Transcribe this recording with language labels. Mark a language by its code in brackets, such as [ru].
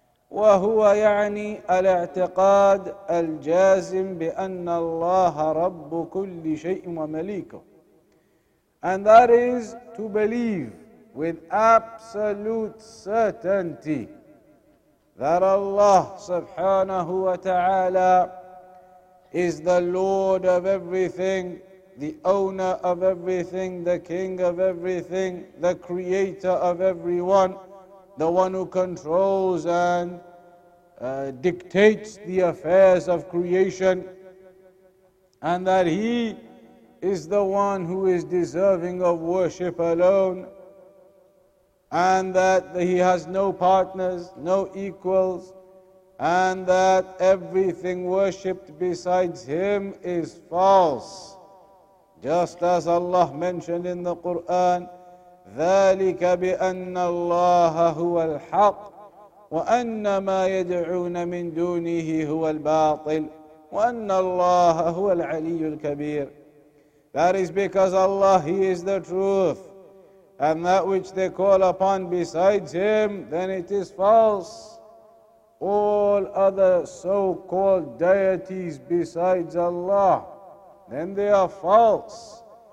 [ar] وهو يعني الاعتقاد الجازم بأن الله رب كل شيء ومليكه. [en] And that is to believe with absolute certainty that Allah subhanahu wa ta'ala is the Lord of everything, the owner of everything, the king of everything, the creator of everyone, the one who controls and dictates the affairs of creation, and that he is the one who is deserving of worship alone, and that he has no partners, no equals, and that everything worshipped besides him is false. Just as Allah mentioned in the Quran, [ar] ذلك بأن الله هو الحق وأن ما يدعون من دونه هو الباطل وأن الله هو العلي الكبير. [en] That is because Allah, he is the truth, and that which they call upon besides him, then it is false. All other so-called deities besides Allah, then they are false.